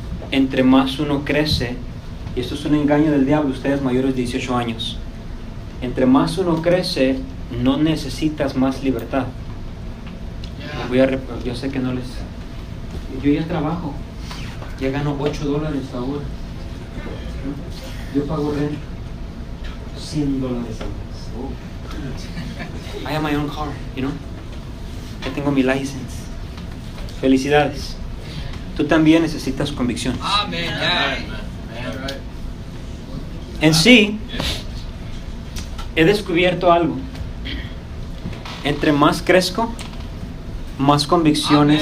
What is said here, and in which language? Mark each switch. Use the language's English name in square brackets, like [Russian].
[Spanish] Entre más uno crece, y esto es un engaño del diablo, ustedes mayores de 18 años, entre más uno crece, no necesitas más libertad. Yeah. Yo sé que no les... Yo ya trabajo, ya gano $8 ahora. Yo pago renta, $100 ahora. [English] Oh. I have my own car, you know? [Spanish] Ya tengo mi license. Felicidades. Tú también necesitas convicciones. Amen. Yeah. Amen. En sí, he descubierto algo. Entre más crezco, más convicciones